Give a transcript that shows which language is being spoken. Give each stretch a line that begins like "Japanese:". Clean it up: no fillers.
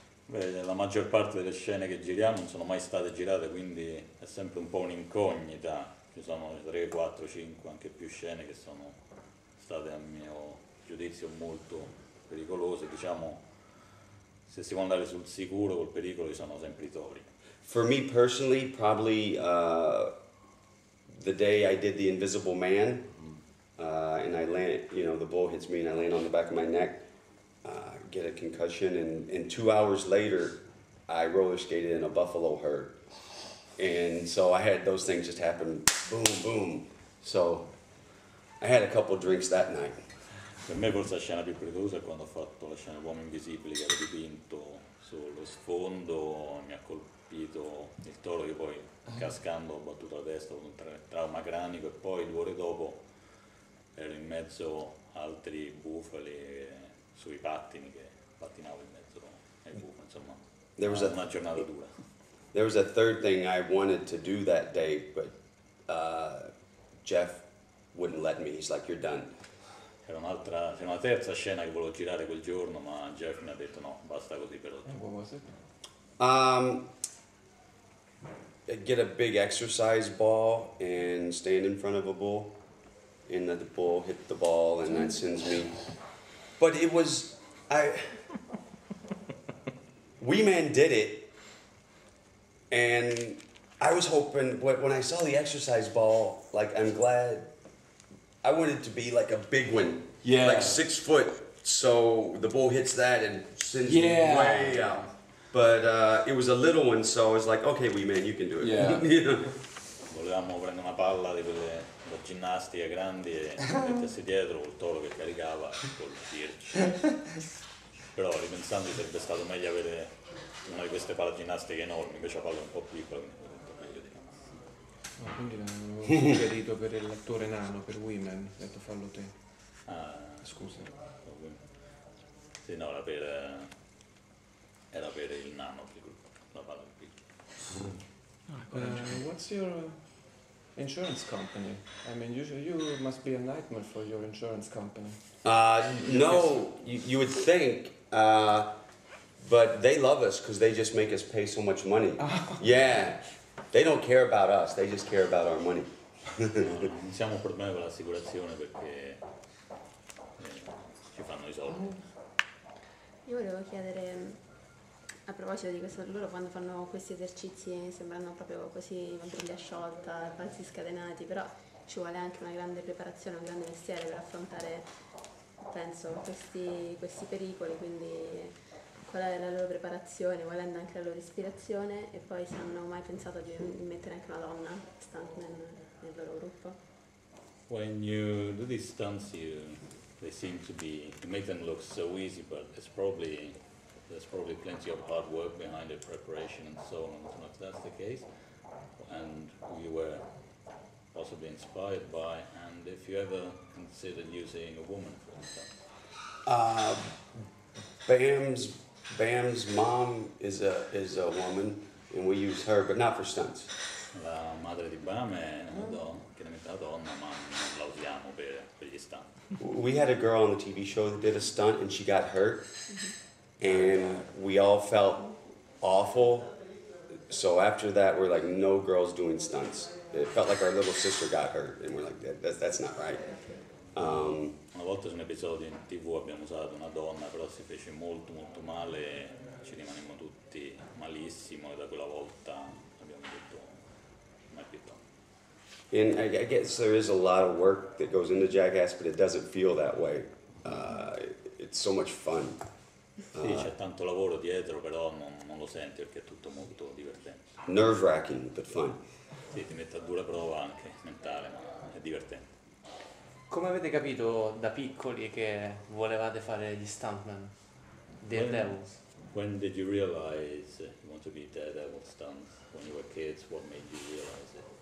Italian: Beh, la maggior parte delle scene che giriamo non sono mai state girate, quindi è sempre un po' un'incognita. Ci sono 3, 4, 5, anche più scene che sono state, a mio giudizio, molto pericolose. Diciamo, se si può andare sul sicuro, col pericolo, ci sono sempre i tori.
English: For me personally, probably the day I did The Invisible Man, and I land, you know, the bull hits me and I land on the back of my neck, get a concussion, and 2 hours later, I roller skated in a buffalo herd. And so I had those things just happen, boom, boom. So I had a couple of drinks that night.
Italian: Per me forse la scena più pericolosa è quando ho fatto la scena Uomo Invisibile, che ero dipinto sullo sfondo, mi ha colpito il toro, che poi cascando ho battuto la testa con un trauma cranico, e poi 2 ore dopo ero in mezzo altri bufali sui pattini, che pattinavo in mezzo ai bufali, insomma,
English: there was
Italian: una giornata dura.
English: There was a third thing I wanted to do that day, but Jeff wouldn't let me. He's like, you're done.
Italian: C'era una terza scena che volevo girare quel giorno, ma Jeff mi ha detto no, basta così per oggi.
English: What was it? Get a big exercise ball and stand in front of a bull, and that the bull hit the ball, and that sends me. But it was, Wee Man did it, and I was hoping, when I saw the exercise ball, like, I'm glad, I wanted it to be like a big one. Yeah. Like 6 foot, so the bull hits that and sends me way out. But it was a little one, so I was like, okay, Wee Man, you can do it. Yeah.
Italian: Volevamo prendere una palla di quelle da ginnastica grandi e mettersi dietro col toro che caricava e colpirci. Però ripensando sarebbe stato meglio avere una di queste palle ginnastiche enormi, invece la palla è un po' piccola, quindi ho detto meglio di no. Quindi l'avevo suggerito per l'attore nano, per Women, ho detto fallo te. Scusa. Sì, no, era per il nano, la palla più piccola.
English: What's your insurance company? I mean, you must be a nightmare for your insurance company. No, you would think, but they love us because they just make us pay so much money. Yeah, they don't care about us; they just care about our money.
Italian: Non siamo un problema con l'assicurazione perché ci fanno i soldi. Io volevo chiedere, a proposito di questo, loro quando fanno questi esercizi sembrano proprio così una briglia sciolta, balzi scatenati, però ci vuole anche una grande preparazione, un grande mestiere per affrontare, penso, questi pericoli, quindi qual è la loro preparazione, qual è anche la loro ispirazione, e poi se hanno mai pensato di mettere anche una donna stuntman nel loro gruppo.
English: When you do these stunts, they seem to be, you make them look so easy, but there's probably plenty of hard work behind it, preparation and so on. So if that's the case, and we were possibly inspired by, and if you ever considered using a woman for instance. Bam's mom is a woman, and we use her, but not for stunts.
Italian: La madre di Bam è una donna, chiaramente una donna, ma non la usiamo per gli stunt.
English: We had a girl on the TV show that did a stunt, and she got hurt. And we all felt awful. So after that, we're like, no girls doing stunts. It felt like our little sister got hurt, and we're like, that's not right.
Italian: Una volta su un episodio in TV abbiamo usato una donna, però si fece molto molto male. Ci rimanemmo tutti malissimo, e da quella volta abbiamo detto mai più tanto.
English: And I guess there is a lot of work that goes into Jackass, but it doesn't feel that way. it's so much fun.
Italian: Sì, c'è tanto lavoro dietro, però non lo senti perché è tutto molto divertente.
English: Nerve-wracking, but fun.
Italian: Sì, ti mette a dura prova anche mentale, ma è divertente. Come avete capito da piccoli che volevate fare gli stuntmen?
English: Daredevils. When did you realize you want to be daredevil stunts? When you were kids, what made you realize it?